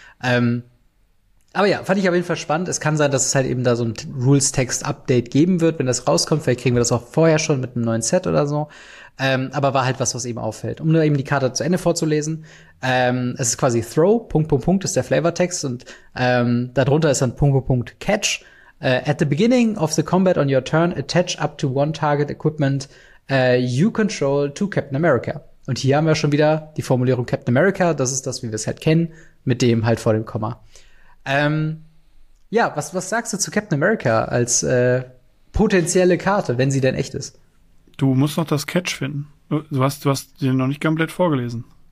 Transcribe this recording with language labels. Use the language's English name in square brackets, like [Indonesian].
[German] Aber ja, fand ich auf jeden Fall spannend. Es kann sein, dass es halt eben da so ein Rules-Text-Update geben wird, wenn das rauskommt. Vielleicht kriegen wir das auch vorher schon mit einem neuen Set oder so. Aber war halt was, was eben auffällt. Um nur eben die Karte zu Ende vorzulesen. Es ist quasi Throw, Punkt, Punkt, Punkt, ist der Flavortext. Und darunter ist dann Punkt, Punkt, Punkt, Catch. [English] At the beginning of the combat on your turn, attach up to one target equipment you control to Captain America. [German] Und hier haben wir schon wieder die Formulierung Captain America. Das ist das, wie wir es halt kennen, mit dem halt vor dem Komma. Ja, was sagst du zu Captain America als potenzielle Karte, wenn sie denn echt ist? Du musst noch das Catch finden. Du hast den noch nicht komplett vorgelesen.